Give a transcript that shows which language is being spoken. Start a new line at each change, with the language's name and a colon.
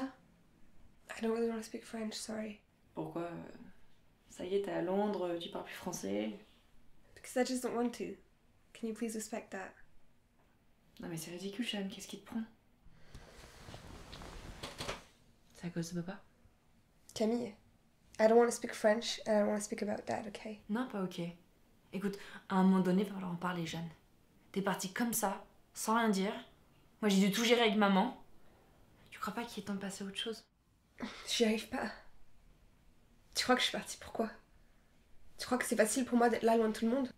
English: I don't really want to speak French, sorry.
French: Pourquoi? Ça y est, t'es à Londres, tu parles plus français.
English: Because I just don't want to. Can you please respect that?
French: Non mais c'est ridicule, Sean, qu'est-ce qui te prend? C'est à cause de papa?
English: Camille, I don't want to speak French and I don't want to speak about that, okay?
French: Non, pas ok. Écoute, à un moment donné, il va falloir en parler, Jeanne. T'es partie comme ça, sans rien dire. Moi, j'ai dû tout gérer avec maman. Tu crois pas qu'il est temps de passer à autre chose? J'y arrive pas. Tu crois que je suis partie pourquoi? Tu crois que c'est facile pour moi d'être là loin de tout le monde?